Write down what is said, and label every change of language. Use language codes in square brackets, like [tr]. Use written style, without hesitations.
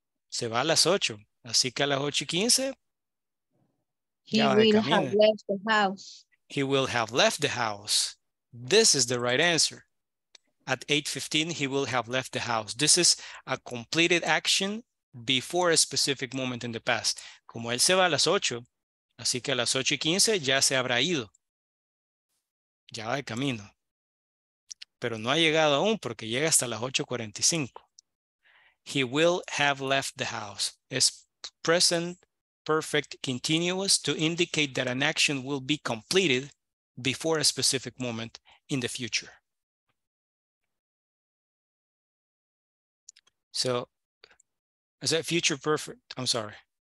[es] Se va a las 8. Así que a las 8:15. [en] He will have left the house. He will have left the house. This is the right answer. At 8:15, he will have left the house. This is a completed action before a specific moment in the past. [es] Como él se va a las 8, así que a las 8:15 ya se habrá ido. Ya va de camino. Pero no ha llegado aún porque llega hasta las 8:45. [en] He will have left the house. Es present perfect continuous to indicate that an action will be completed before a specific moment in the future. So, is that future perfect? I'm sorry.